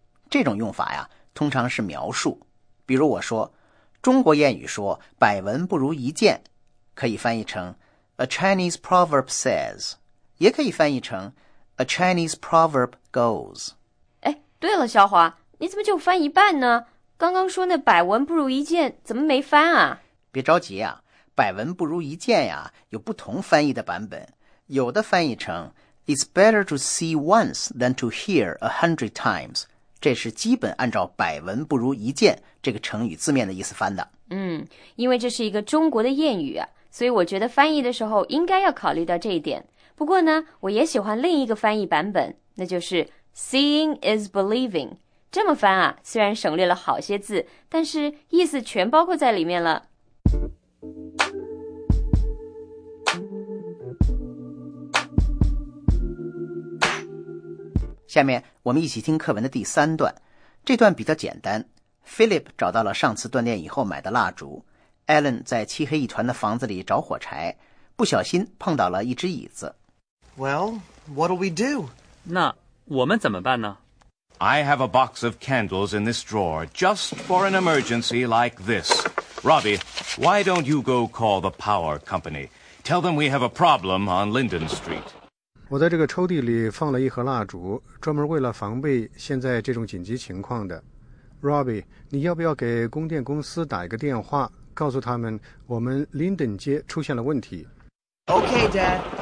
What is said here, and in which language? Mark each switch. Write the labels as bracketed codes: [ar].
[zh] 这种用法呀通常是描述，比如我说中国谚语说百闻不如一见，可以翻译成 [en] A Chinese proverb says, [zh] 也可以翻译成 [en] A Chinese proverb goes. [zh] 哎，对了，小华，你怎么就翻一半呢？刚刚说那百闻不如一见，怎么没翻啊？别着急啊，百闻不如一见呀，有不同翻译的版本。有的翻译成 [en] It's better to see once than to hear 100 times. [zh] 这是基本按照百闻不如一见这个成语字面的意思翻的。嗯，因为这是一个中国的谚语啊，所以我觉得翻译的时候应该要考虑到这一点。不过呢，我也喜欢另一个翻译版本，那就是 [en] Seeing is believing。 [zh] 这么翻啊，虽然省略了好些字，但是意思全包括在里面了。下面我们一起听课文的第三段，这段比较简单。 Philip 找到了上次断电以后买的蜡烛，Alan 在漆黑一团的房子里找火柴，不小心碰到了一只椅子。 [en] Well, what'll we do? [zh] 那我们怎么办呢？ [en] I have a box of candles in this drawer, just for an emergency like this. Robbie, why don't you go call the power company? Tell them we have a problem on Linden Street. [zh] 我在这个抽屉里放了一盒蜡烛，专门为了防备现在这种紧急情况的。 Robbie, 你要不要给供电公司打一个电话？告诉他们我们林顿街出现了问题。 [en] OK, Dad.